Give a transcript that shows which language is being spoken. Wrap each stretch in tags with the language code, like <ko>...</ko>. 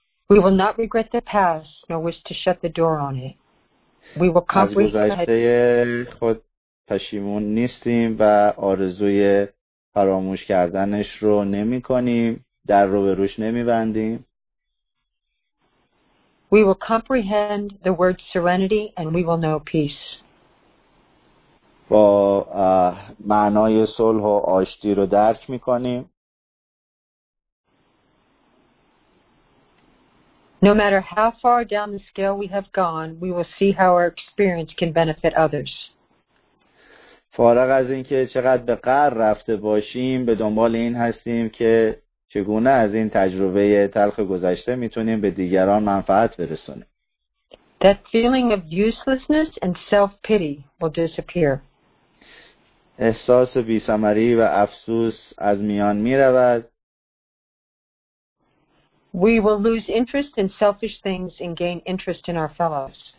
<en>We will not regret the past nor wish to shut the door on it. We will</en> <fa>comprehend پشیمون نیستیم و آرزوی فراموش کردنش رو نمی کنیم، در رو به روش نمی بندیم.</fa> <en>We will comprehend the word serenity and we will know peace.</en> <fa>با معنای صلح و آشتی رو درک می کنیم.</fa> <en>No matter how far down the scale we have gone, we will see how our experience can benefit others.</en> <fa>فارغ از اینکه چقدر به غرب رفته باشیم، به دنبال این هستیم که چگونه از این تجربه تلخ گذشته میتونیم به دیگران منفعت برسونیم.</fa> <en>That feeling of uselessness and self-pity will disappear.</en> <fa>احساس بی ثمری و افسوس از میان میرود.</fa> <en>We will lose interest in selfish things and gain interest in our fellows.</en>